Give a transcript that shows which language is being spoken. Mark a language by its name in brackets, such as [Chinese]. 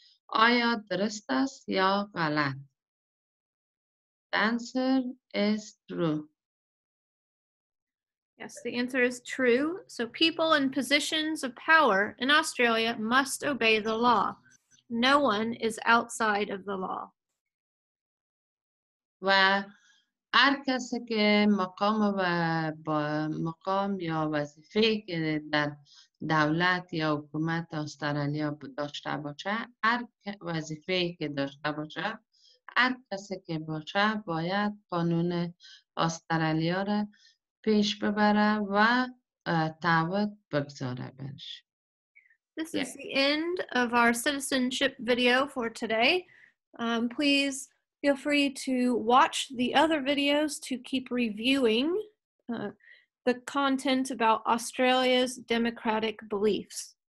[Persian] آیا درست است یا غلط؟ [English] Answer is true. Yes, the answer is true. So people in positions of power in Australia must obey the law. No one is outside of the law. [Persian] و هر کسی که مقام و با مقام یا وظیفه که در دولت یا حکومت استرالیا داشته باشه، هر وظیفه که داشته باشه، هر کسی که باشه باید قانون استرالیا را پیش ببره و تعهد بگذاره بهش. [English] This is the end of our citizenship video for today. Please feel free to watch the other videos to keep reviewing the content about Australia's democratic beliefs.